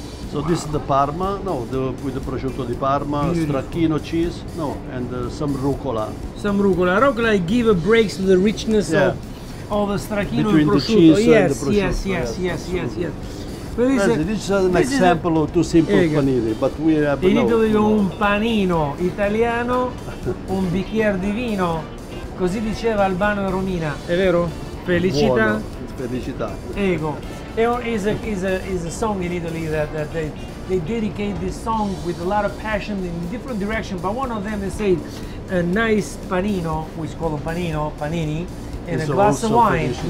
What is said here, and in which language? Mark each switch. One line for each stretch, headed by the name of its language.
English: So wow. This is the Parma, with the prosciutto di Parma, beautiful. Stracchino cheese, and some rucola. Some rucola. Rucola give a break to the richness of the stracchino Between and prosciutto. Between the cheese and the prosciutto. Yes. This is an example of two simple panini, but we have in Italy
Italian: un panino italiano, un bicchiere di vino, così diceva Albano e Romina, è vero? Felicità. Buono. Felicità. Ego.
English: It's a song in Italy that they dedicate this song with a lot of passion in different directions, but one of them they say a nice panino, which is called panini, and it's a glass of wine felicità.